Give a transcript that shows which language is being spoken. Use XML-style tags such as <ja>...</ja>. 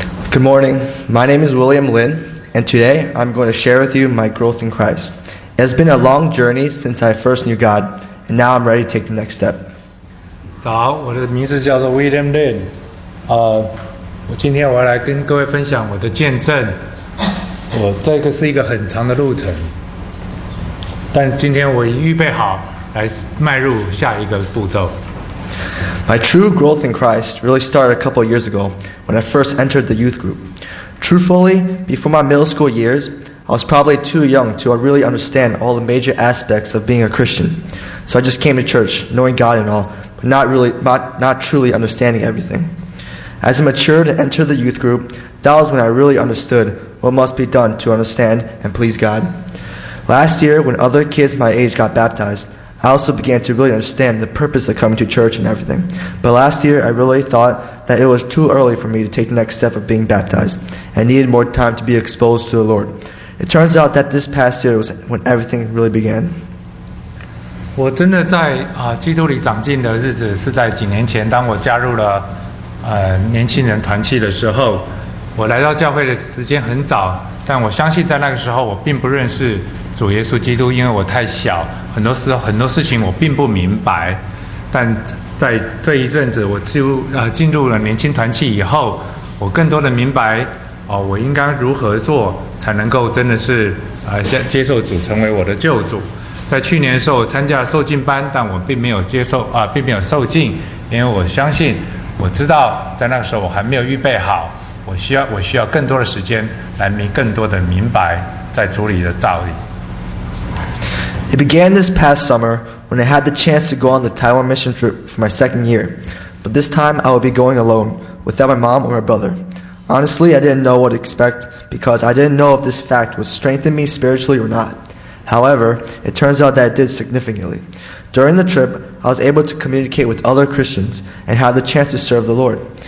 <en>Good morning, my name is William Lin, and today I'm going to share with you my growth in Christ. It has been a long journey since I first knew God, and now I'm ready to take the next step.</en> <zh>早，我的名字叫做 William Lin. 我今天我要来跟各位分享我的见证。我这个是一个很长的路程，但今天我预备好来迈入下一个步骤。</zh> <en>My true growth in Christ really started a couple years ago when I first entered the youth group. Truthfully, before my middle school years, I was probably too young to really understand all the major aspects of being a Christian. So I just came to church, knowing God and all, but not truly understanding everything. As I matured and entered the youth group, that was when I really understood what must be done to understand and please God. Last year, when other kids my age got baptized,I also began to really understand the purpose of coming to church and everything. But last year, I really thought that it was too early for me to take the next step of being baptized and needed more time to be exposed to the Lord. It turns out that this past year was when everything really began.</en> <zh>我真的在基督里长进的日子是在几年前，当我加入了年轻人团契的时候。我来到教会的时间很早，但我相信在那个时候我并不认识主耶稣基督，因为我太小，很多事情我并不明白。但在这一阵子，我进入了年轻团契以后，我更多的明白我应该如何做才能够真的是接受主成为我的救主。在去年的时候，我参加了受浸班，但我并没有接受并没有受浸，因为我相信，我知道在那个时候我还没有预备好，我需要更多的时间来更多的明白在主里的道理。</zh> <en>It began this past summer when I had the chance to go on the Taiwan mission trip for my second year. But this time I will be going alone, without my mom or my brother. Honestly, I didn't know what to expect because I didn't know if this fact would strengthen me spiritually or not. However, it turns out that it did significantly. During the trip, I was able to communicate with other Christians and had the chance to serve the Lord.</en>